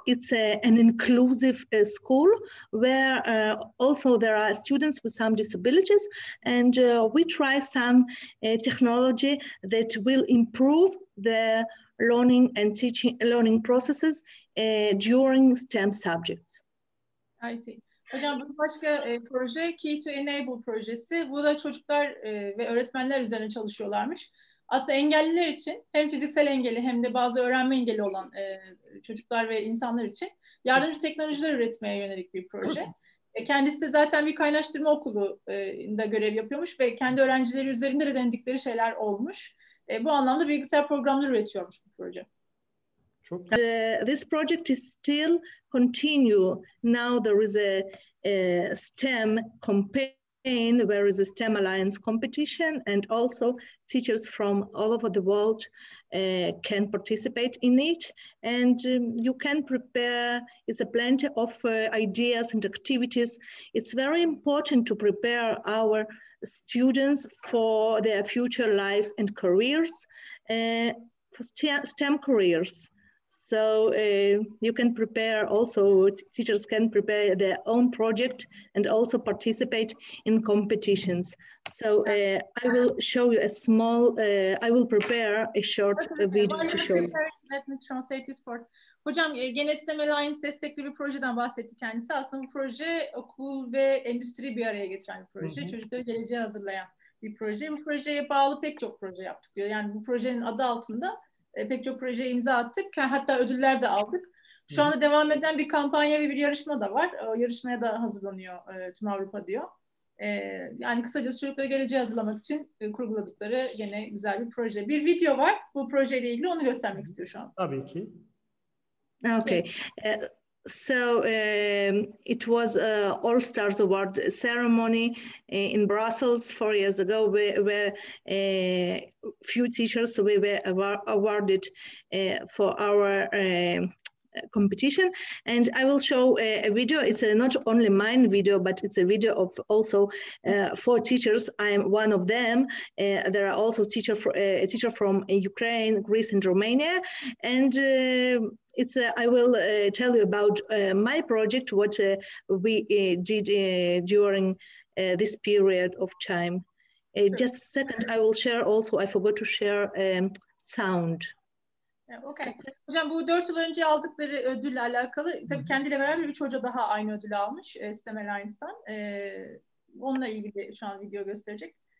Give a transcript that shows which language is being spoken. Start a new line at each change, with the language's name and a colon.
English: It's an inclusive school where also there are students with some disabilities, and we try some technology that will improve the learning and teaching learning processes during STEM subjects. I see.
Turkish: Hocam bu başka proje Key to Enable projesi. Bu da çocuklar ve öğretmenler üzerine çalışıyorlarmış. Aslında engelliler için hem fiziksel engeli hem de bazı öğrenme engeli olan çocuklar ve insanlar için yardımcı teknolojiler üretmeye yönelik bir proje. Kendisi de zaten bir kaynaştırma okulunda görev yapıyormuş ve kendi öğrencileri üzerinde de denedikleri şeyler olmuş. Bu anlamda bilgisayar programları üretiyormuş bu proje.
English: This project is still continue. Now there is a STEM campaign, there is a STEM Alliance competition, and also teachers from all over the world can participate in it. And you can prepare, it's a plenty of ideas and activities. It's very important to prepare our students for their future lives and careers, for STEM careers. So you can prepare also, teachers can prepare their own project and also participate in competitions. So I will show you a small, I will prepare a short video to show you. Let me translate this part.
Turkish: Hocam gene STEM Alliance destekli bir projeden bahsetti kendisi. Aslında bu proje okul ve endüstri bir araya getiren bir proje. Mm-hmm. Çocukları geleceğe hazırlayan bir proje. Bu projeye bağlı pek çok proje yaptık diyor. Yani bu projenin adı altında pek çok proje imza attık. Hatta ödüller de aldık. Şu anda devam eden bir kampanya ve bir yarışma da var. O yarışmaya da hazırlanıyor tüm Avrupa diyor. Yani kısacası çocukları geleceğe hazırlamak için kurguladıkları yine güzel bir proje. Bir video var bu projeyle ilgili. Onu göstermek istiyor şu an. Tabii ki.
English: Okay. So it was All Stars Award ceremony in Brussels 4 years ago, where a few teachers we were awarded for our competition. And I will show a video. It's not only mine video, but it's a video of also four teachers. I am one of them. There are also a teacher from Ukraine, Greece, and Romania. And I will tell you about my project, what we did during this period of time. Just a second, I will share also, I forgot to share sound. Okay.
Turkish: Hocam bu 4 yıl önce aldıkları ödülle alakalı, tabii kendiyle beraber 3 hoca daha aynı ödülü almış Sistem Alliance'dan. Onunla ilgili şu an video gösterecek.